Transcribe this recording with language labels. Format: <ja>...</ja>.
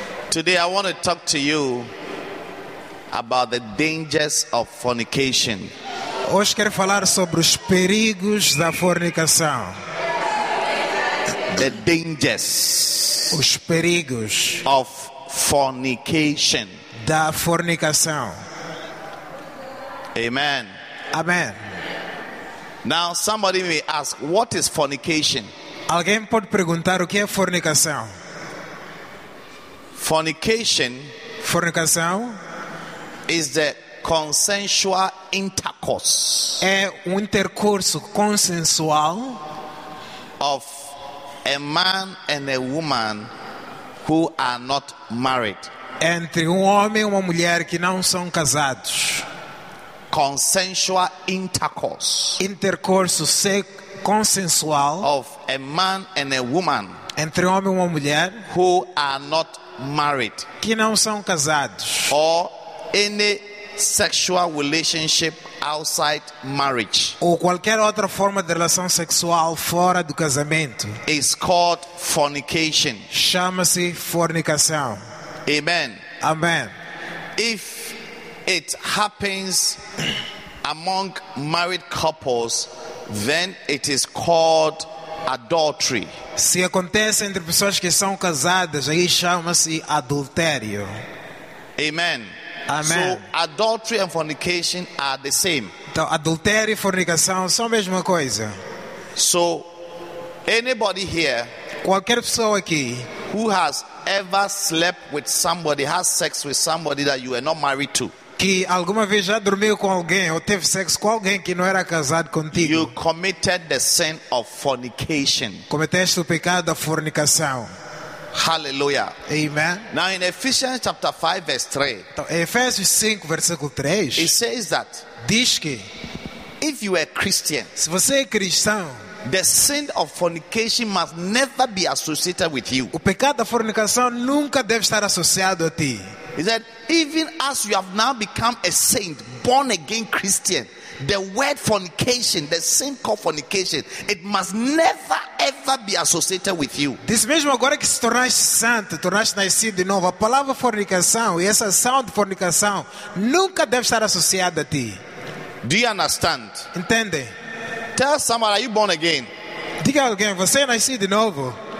<en>Today I want to talk to you about the dangers of fornication.</en> <pt>Hoje quero falar sobre os perigos da fornicação.</pt> <en>The dangers.</en> <pt>Os perigos.</pt> <en>Of fornication.</en> <pt>Da fornicação.</pt> <en>Amen.</en> <pt>Amen.</pt> <en>Now somebody may ask, what is fornication?</en> <pt>Alguém pode perguntar o que é fornicação?</pt> <en>Fornication.</en> <pt>Fornicação.</pt> <en>Is the consensual intercourse.</en> <pt>É intercurso consensual</pt> <en>of a man and a woman who are not married.</en> <pt>Entre homem e uma mulher que não são casados.</pt> <en>Consensual intercourse.</en> <pt>Intercurso consensual</pt> <en>of a man and a woman.</en> <pt>Entre homem e uma mulher</pt> <en>who are not married.</en> <pt>Que não são casados.</pt> <en>Or any sexual relationship outside marriage.</en> <pt>Ou qualquer outra forma de relação sexual fora do casamento.</pt> <en>Is called fornication.</en> <pt>Chama-se fornicação.</pt> <en>Amen.</en> <pt>Amen.</pt> <en>If it happens among married couples, then it is called adultery.</en> <pt>Se acontece entre pessoas que são casadas, aí chama-se adultério.</pt> <en>Amen.</en> <pt>Amen.</pt> <en>So adultery and fornication are the same.</en> <pt>Então, adultério e fornicação são a mesma coisa.</pt> <en>So anybody here,</en> <pt>qualquer pessoa aqui,</pt> <en>who has ever slept with somebody, has sex with somebody that you are not married to,</en> <pt>que alguma vez já dormiu com alguém ou teve sexo com alguém que não era casado contigo,</pt> <en>you committed the sin of fornication.</en> <pt>Cometeste o pecado da fornicação.</pt> <en>Hallelujah.</en> <pt>Amen.</pt> <en>Now in Ephesians chapter 5 verse 3.</en> <pt>Então, Efésios 5 versículo 3.</pt> <en>It says that</en> <pt>diz que</pt> <en>if you are Christian,</en> <pt>se você é cristão,</pt> <en>the sin of fornication must never be associated with you.</en> <pt>O pecado da fornicação nunca deve estar associado a ti.</pt> <en>He said, even as you have now become a saint, born again Christian, the word fornication, the sin called fornication, it must never ever be associated with you.</en> <pt>Diz mesmo agora que se tornaste santo, tornaste nascido de novo, a palavra fornicação e essa ação de fornicação nunca deve estar associada a ti.</pt> <en>Do you understand?</en> <pt>Entende?</pt> <en>Tell someone, are you born again?</en> <pt>Diga alguém, você nasceu de novo?</pt>